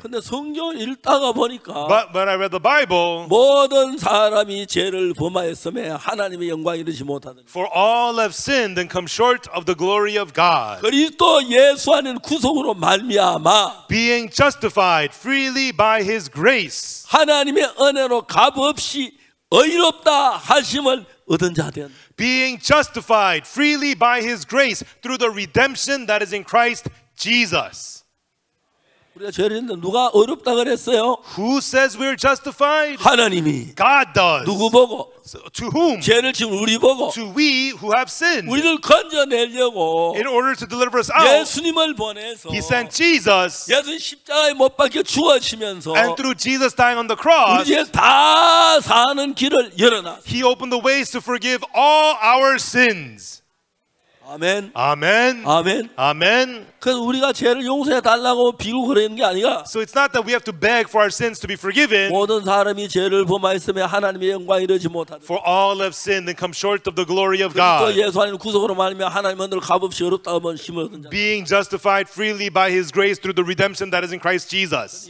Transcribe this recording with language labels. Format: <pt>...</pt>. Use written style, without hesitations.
<ko>근데 성경 읽다가 보니까</ko> <en>But when I read the Bible</en> <ko>모든 사람이 죄를 범하였음에 하나님의 영광 이루지 못하더니</ko> <en>For all have sinned and come short of the glory of God</en> <ko>그리스도 예수 안에 구속으로 말미암아</ko> <en>being justified freely by his grace</en> <ko>하나님의 은혜로 값없이 의롭다 하심을 얻은 자 된</ko> <en>being justified freely by his grace through the redemption that is in Christ Jesus</en> <ko>우리가 죄를 했는데 누가 의롭다 그랬어요?</ko> <en>Who says we're justified?</en> <ko>하나님이</ko> <en>God does</en> <ko>누구 보고</ko> <en>So, to whom?</en> <ko>죄를 지금 우리 보고.</ko> <en>To we who have sinned.</en> <ko>우리를 건져내려고.</ko> <en>In order to deliver us out.</en> <ko>예수님을 보내서.</ko> <en>He sent Jesus.</en> <ko>예수 십자가에 못 박혀 죽으시면서.</ko> <en>And through Jesus dying on the cross.</en> <ko>우리 죄 다 사는 길을 열어놔.</ko> <en>He opened the ways to forgive all our sins.</en> <ko>아멘. 아멘. 아멘. 아멘. 그래서 우리가 죄를 용서해 달라고 빌고 그러는 게 아니라</ko> <en>So it's not that we have to beg for our sins to be forgiven.</en> <ko>모든 사람이 죄를 범하였음에 하나님의 영광 이루지 못하더라.</ko> <en>For all have sinned and come short of the glory of God.</en> <ko>그리고 예수 안에 구속으로 말미암아 하나님 은혜로 값없이 의롭다함을 힘을 얻은 자.</ko> <en>Being justified freely by his grace through the redemption that is in Christ Jesus.</en>